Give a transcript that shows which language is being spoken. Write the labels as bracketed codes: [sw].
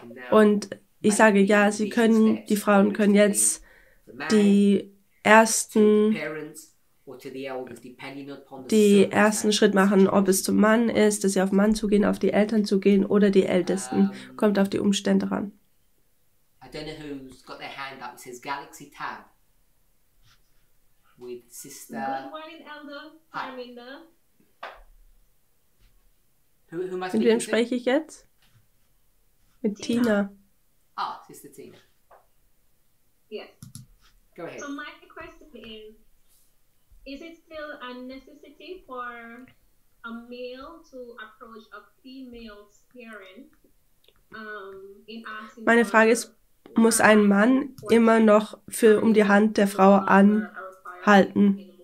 [de] Und ich sage ja, sie können, die Frauen können jetzt die ersten Schritt machen, ob es zum Mann ist, dass sie auf den Mann zugehen, auf die Eltern zugehen oder die Ältesten. Kommt auf die Umstände ran. [en] I don't know who's got their hand up. It says Galaxy Tab with Sister. Good morning, Elder. Hi, Linda. Who am I speaking to? [de] Mit wem spreche ich jetzt? Mit Tina. [en] Ah, Sister Tina. Yes. Go ahead. So my question is it still a necessity for a male to approach a female parent in asking? [de] Meine Frage ist, muss ein Mann immer noch für um die Hand der Frau anhalten?